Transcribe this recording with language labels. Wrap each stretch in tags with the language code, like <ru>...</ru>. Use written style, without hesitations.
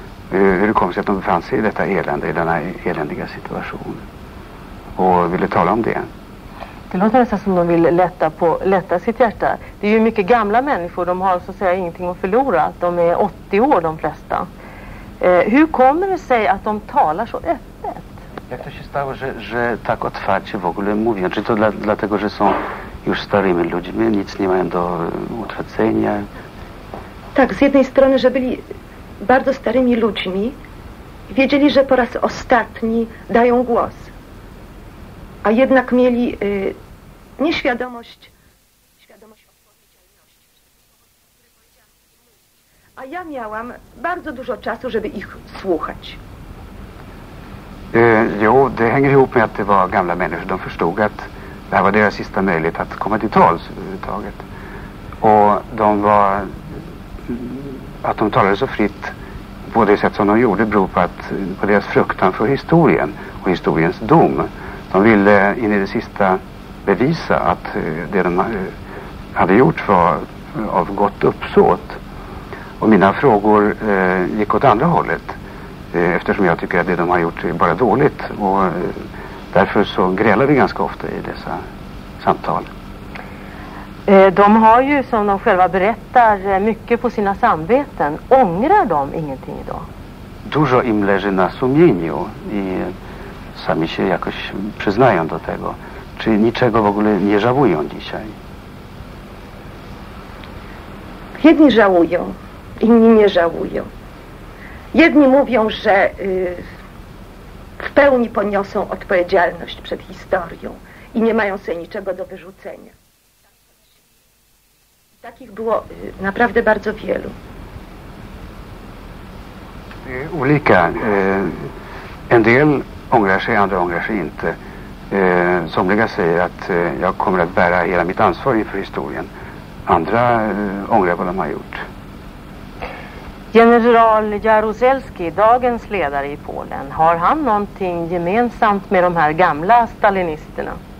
<sv>hur det kom sig att de befann sig i detta elände, i denna eländiga situation. Och ville tala om det. Det låter nästan som de vill lätta sitt hjärta. Det är ju mycket gamla människor, de har så att säga ingenting att förlora. De är 80 år de flesta. Hur kommer det sig att de talar så öppet?</sv> <pl>Jak to się stało, że tak otwarcie w ogóle mówią? Czy to dlatego, że są już starymi ludźmi, nic nie mają do utracenia? Tak, z jednej strony, że byli bardzo starymi ludźmi, wiedzieli, że po raz ostatni dają głos. A jednak mieli nieświadomość odpowiedzialności. A ja miałam bardzo dużo czasu, żeby ich słuchać.</pl> <sv>Jo, det hänger ihop med att det var gamla människor. De förstod att det här var deras sista möjlighet att komma till tals överhuvudtaget. Och de var, att de talade så fritt på det sätt som de gjorde beror på att, på deras fruktan för historien och historiens dom. De ville in i det sista bevisa att det de hade gjort var av gott uppsåt. Och mina frågor gick åt andra hållet, eftersom jag tycker att det de har gjort är bara dåligt, och därför så grälar vi ganska ofta i dessa samtal. De har ju, som de själva berättar, mycket på sina samveten. Ångrar de ingenting idag?</sv> <pl>Dużo im leży na sumieniu i sami się jakoś przyznają do tego. Czy niczego w ogóle nie żałują dzisiaj? Jedni żałują, inni nie żałują. Jedni mówią, że w pełni poniosą odpowiedzialność przed historią i nie mają sobie niczego do wyrzucenia. Takich było naprawdę bardzo wielu.</pl> <sv>Olika. En del ångrar sig, andra ångrar sig inte. Somliga säger att jag kommer att bära hela mitt ansvar inför historien. Andra ångrar vad de har gjort. General Jaruzelski, dagens ledare i Polen, har han någonting gemensamt med de här gamla stalinisterna?</sv>